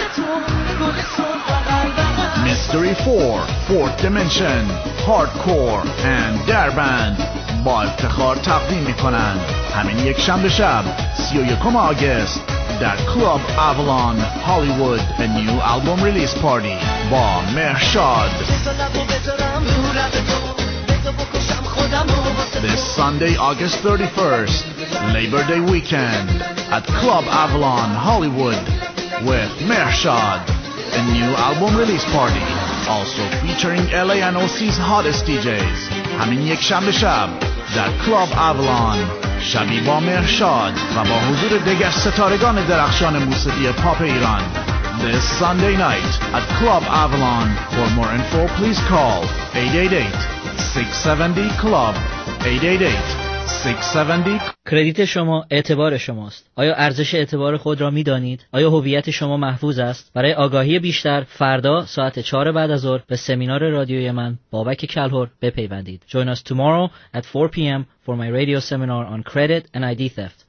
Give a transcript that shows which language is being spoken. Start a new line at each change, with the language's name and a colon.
Persian: Mystery 4, 4th Dimension, Hardcore and Derband با افتخار تقدیم میکنند همین یک شنبه شب 31 آگست در کلاب اولان هالیوود
English: A New Album Release Party
Persian: با مهرشاد.
English: This Sunday, August 31st, Labor Day Weekend at Club Avalon, Hollywood with Mehrshad. A new album release party, also featuring LA and OC's hottest DJs.
Persian: همین یک شنبه شب در کلاب اولان، شبی با مهرشاد و با حضور دیگر ستارگان درخشان موسیقی پاپ ایران.
English: This Sunday night at Club Avalon. For more info, please call 888-670-CLUB 888
Persian: 670. کردیت شما اعتبار شماست. آیا ارزش اعتبار خود را می دانید؟ آیا هویت شما محفوظ است؟ برای آگاهی بیشتر فردا ساعت 4 بعد از ظهر به سمینار رادیوی من بابک کلهر بپیوندید.
English: Join us tomorrow at 4 p.m. for my radio seminar on credit and ID theft.